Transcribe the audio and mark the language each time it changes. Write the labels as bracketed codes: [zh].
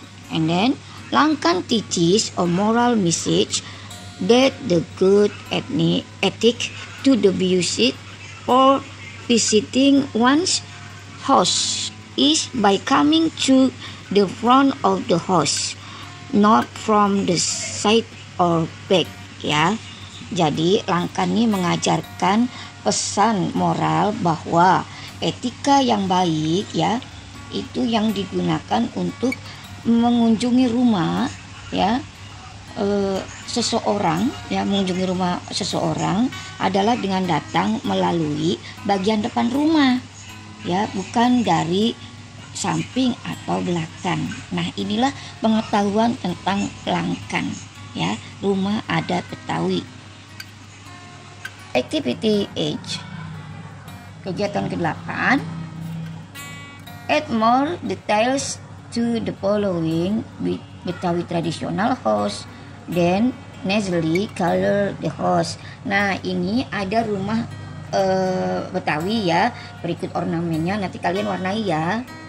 [en] And then langkan teaches a moral message that the good ethic to the visit or visiting one's house is by coming to the front of the house, not from the side or back. [id] Ya, jadi langkah ini mengajarkan pesan moral bahwa etika yang baik, ya, itu yang digunakan untuk mengunjungi rumah, ya, seseorang, ya, mengunjungi rumah seseorang adalah dengan datang melalui bagian depan rumah, ya, bukan dari samping atau belakang. Nah, inilah pengetahuan tentang langkan, ya, rumah adat Betawi. [en] Activity 8, [id] kegiatan ke-8. [en] Add more details to the following Betawi traditional house, then nicely color the house. [id] Nah, ini ada rumah Betawi ya, berikut ornamennya, nanti kalian warnai ya.